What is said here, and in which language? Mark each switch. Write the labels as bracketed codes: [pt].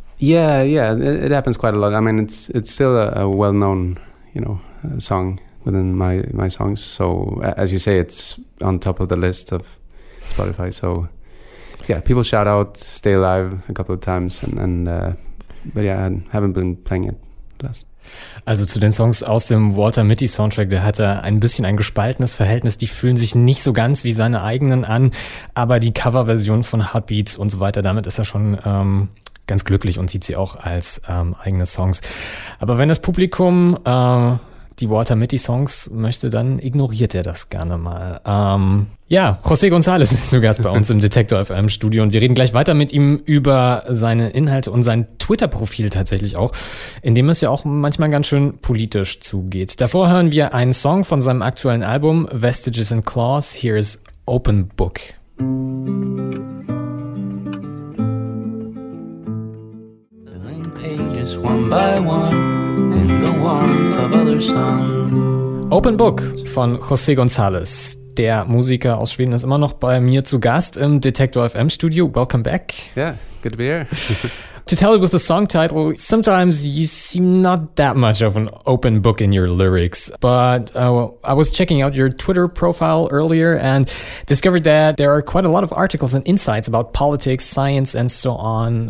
[en] Yeah, it happens quite a lot. I mean, it's still a well-known, you know, song within my songs. So as you say, it's on top of the list of Spotify. So yeah, people shout out "Stay Alive" a couple of times, but yeah, I haven't been playing it less. [de] Also zu den Songs aus dem Walter Mitty Soundtrack, der hat er ein bisschen ein gespaltenes Verhältnis. Die fühlen sich nicht so ganz wie seine eigenen an, aber die Coverversion von Heartbeats und so weiter, damit ist er schon ganz glücklich und sieht sie auch als eigene Songs. Aber wenn das Publikum die Walter Mitty Songs möchte, dann ignoriert er das gerne mal. Ja, José González ist zu Gast bei uns im Detektor FM Studio und wir reden gleich weiter mit ihm über seine Inhalte und sein Twitter-Profil tatsächlich auch, in dem es ja auch manchmal ganz schön politisch zugeht. Davor hören wir einen Song von seinem aktuellen Album Vestiges and Claws. [en] Here is Open Book. Pages one by one in the warmth of other sun. [de] Open Book von José González. Der Musiker aus Schweden ist immer noch bei mir zu Gast im Detektor FM Studio. [en] Welcome back. Yeah, good to be here. to tell it with the song title, sometimes you seem not that much of an open book in your lyrics. But I was checking out your Twitter profile earlier and discovered that there are quite a lot of articles and insights about politics, science, and so on.